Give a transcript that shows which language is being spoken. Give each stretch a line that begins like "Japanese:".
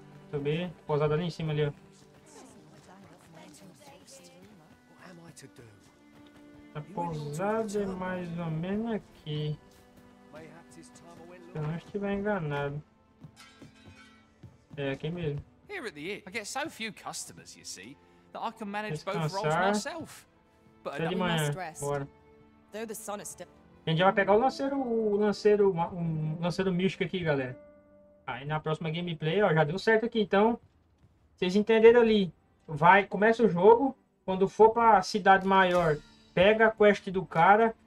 Portuguese: Muito bem. Pousada ali em cima ali, ó. A pousada é mais ou menos aqui. Se eu não estiver enganado. É aqui mesmo.
English: Here at the inn, I get so few customers, you see, that I can manage both roles myself. But I don't want to stress. Though the sun is still.
Portuguese: A gente já vai pegar o lanceiro místico aqui, galera. Aí na próxima gameplay, ó, já deu certo aqui. Então, vocês entenderam ali? Vai, começa o jogo. Quando for para a cidade maior, pega a quest do cara.